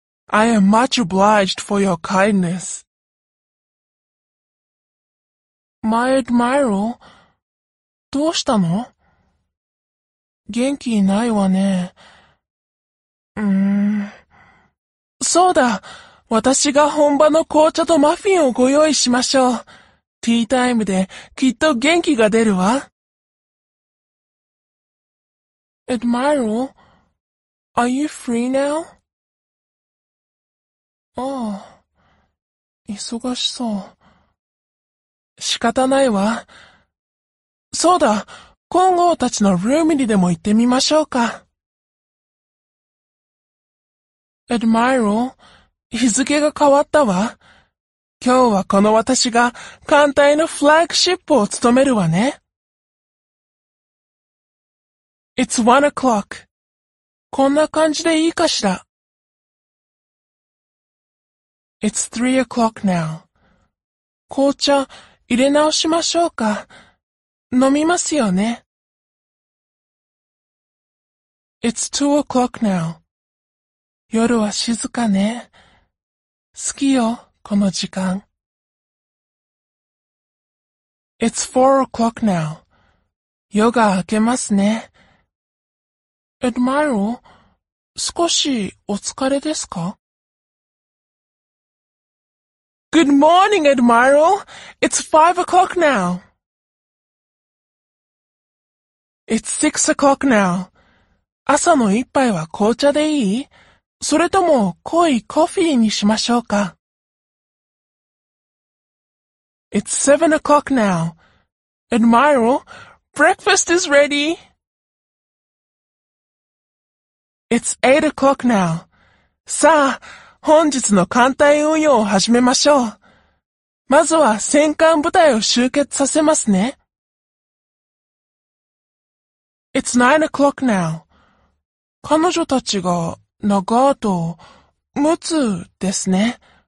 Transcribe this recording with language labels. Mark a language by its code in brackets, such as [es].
[en] I am much obliged for your kindness. [ja] My Admiral、どうしたの? 元気ないわね。そうだ、私が本場の紅茶とマフィンをご用意しましょう。ティータイムできっと元気が出るわ。 [en] Admiral, are you free now? [ja] ああ、忙しそう。仕方ないわ。そうだ、金剛たちのルームにでも行ってみましょうか。 Admiral, 日付が変わったわ。今日はこの私が艦隊のフラッグシップを務めるわね。 [en] It's 1 o'clock. [ja] こんな感じでいいかしら。 [en] It's 3 o'clock now. [ja] 紅茶入れ直しましょうか。飲みますよね。 [en] It's 2 o'clock now. [ja] 夜は静かね。好きよ、この時間。 [en] It's 4 o'clock now. [ja] 夜が明けますね。 Admiral, 少しお疲れですか? [en] Good morning, Admiral. It's 5 o'clock now. It's 6 o'clock now. [ja] 朝の一杯は紅茶でいい?それとも濃いコーヒーにしましょうか? [en] It's 7 o'clock now. Admiral, breakfast is ready. It's 8 o'clock now. [ja] さあ、本日の艦隊運用を始めましょう。まずは戦艦部隊を集結させますね。 [en] It's 9 o'clock now. [ja] 彼女たちが長と陸奥ですね。